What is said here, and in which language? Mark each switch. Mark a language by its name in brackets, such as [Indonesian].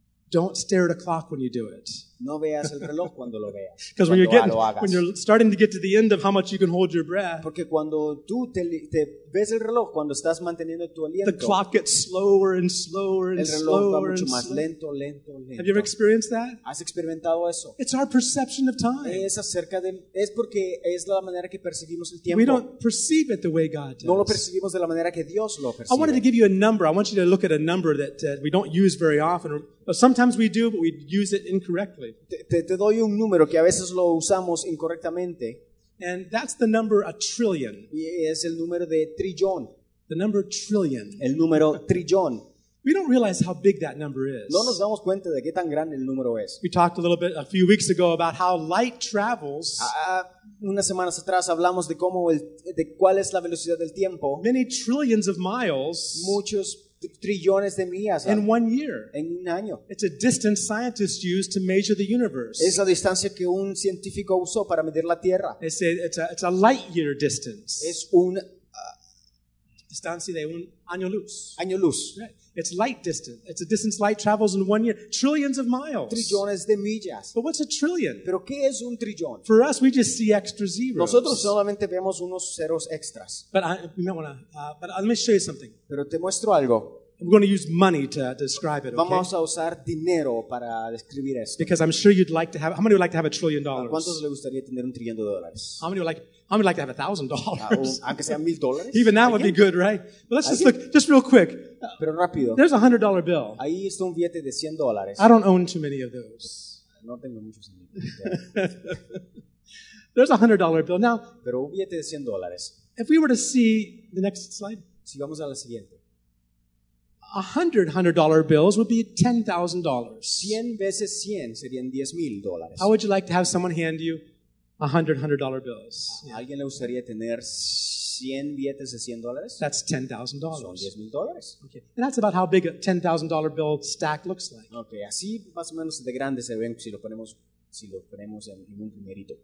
[English] Don't stare at a clock when you do it. [Spanish] No veas el reloj cuando lo veas. [English] Because when you're starting to get to the end of how much you can hold your breath, [Spanish] porque cuando tú te ves el reloj cuando estás manteniendo tu aliento, [English] the clock gets slower and slower and slower. [Spanish] El reloj [English] slower [Spanish] va mucho más lento. [English] Have you ever experienced that? [Spanish] ¿Has experimentado eso? [English] It's our perception of time. [Spanish] Es porque es la manera que percibimos el tiempo. [English] We don't perceive it the way God does. [Spanish] No lo percibimos de la manera que Dios lo percibe. [English] I wanted to give you a number. I want you to look at a number that we don't use very often. Sometimes we do, but we use it incorrectly. [Spanish] Te doy un número que a veces lo usamos incorrectamente. [English] And that's the number a trillion. [Spanish] Y es el número de trillón. [English] The number trillion. [Spanish] El número trillón. [English] We don't realize how big that number is. [Spanish] No nos damos cuenta de qué tan grande el número es. [English] We talked a little bit a few weeks ago about how light travels. [Spanish] Unas semanas atrás hablamos de cómo de cuál es la velocidad del tiempo. [English] Many trillions of miles. [Spanish] Muchos trillones de millas, [English] in 1 year. [Spanish] En un año. [English] It's a distance scientists use to measure the universe. [Spanish] Es la distancia que un científico usó para medir la Tierra. [English] It's a light year distance. [Spanish] Es un distancia de un año luz. Año luz. [English] Right. It's light distance. It's a distance light travels in 1 year. Trillions of miles. [Spanish] Trillones de millas. [English] But what's a trillion? [Spanish] ¿Pero qué es un trillón? [English] For us, we just see extra zeros. [Spanish] Nosotros solamente vemos unos ceros extras. [English] But let me show you something. [Spanish] Pero te muestro algo. [English] I'm going to use money to describe it, okay? [Spanish] Vamos a usar dinero para describir esto. [English] Because I'm sure you'd like to have, how many would like to have $1 trillion? [Spanish] ¿A cuántos le gustaría tener un trillón de dólares? [English] How many would like to have $1,000? [Spanish] Aunque sea $1,000. [English] Even that would be good, right? But let's just look, just real quick. [Spanish] Pero rápido. [English] There's a $100 bill. [Spanish] Ahí está un billete de $100. [English] I don't own too many of those. [Spanish] No tengo muchos. [English] There's a $100 bill. Now, [Spanish] pero un billete de $100. [English] If we were to see the next slide. [Spanish] Si vamos a la siguiente. [English] $100 bills would be $10,000. [Spanish] 100 veces 100 serían $10,000. [English] How would you like to have someone hand you $100 bills? [Spanish] Yeah. ¿Alguien le gustaría tener 100 billetes de $100? [English] That's $10,000. [Spanish] Son $10,000. [English] Okay. And that's about how big a $10,000 bill stack looks like. [Spanish] Okay, así más o menos de grande se ven si lo ponemos en un primerito.